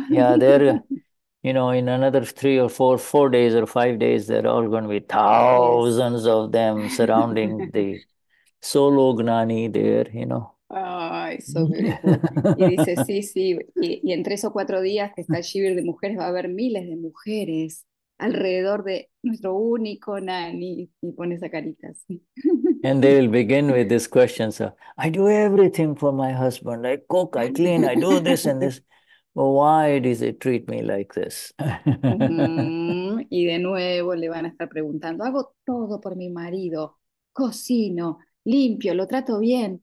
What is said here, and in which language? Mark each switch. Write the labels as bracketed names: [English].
[English] Yeah, there, you know, in another three or four days or 5 days, there are all going to be thousands yes. of them surrounding the solo Gnani there, you know. Ay, so beautiful. [Spanish] Y dice, sí, sí. Y en tres o cuatro días que está el shibir de mujeres, va a haber miles de mujeres alrededor de nuestro único Gnani. Y pone esa carita así. [English] And they will begin with this question. So, I do everything for my husband. I cook, I clean, I do this and this. But why does he treat me like this? Mm-hmm. [Spanish] Y de nuevo le van a estar preguntando, hago todo por mi marido, cocino, limpio, lo trato bien.